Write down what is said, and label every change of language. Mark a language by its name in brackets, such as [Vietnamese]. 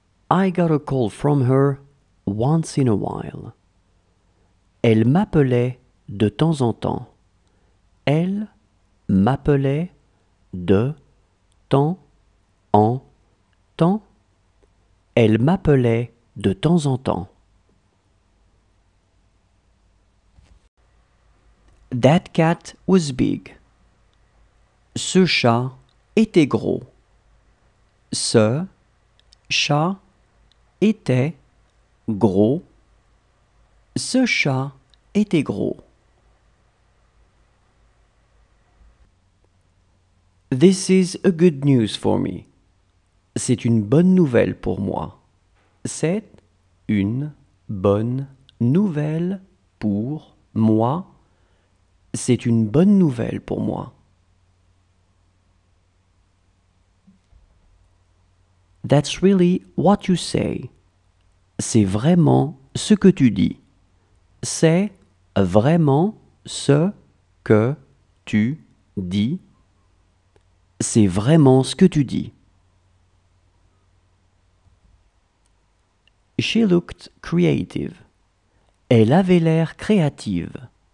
[English] I got a call from her once in a while. [French] Elle m'appelait de temps en temps. Elle m'appelait de temps en temps. Elle m'appelait de temps en temps. [English] That cat was big. [French] Ce chat était gros. Ce chat était gros. Ce chat était gros. [English] This is a good news for me. [French] C'est une bonne nouvelle pour moi. C'est une bonne nouvelle pour moi. C'est une bonne nouvelle pour moi. [English] That's really what you say. [French] C'est vraiment ce que tu dis. C'est vraiment ce que tu dis. C'est vraiment ce que tu dis. [English] She looked creative. [French] Elle avait l'air créative.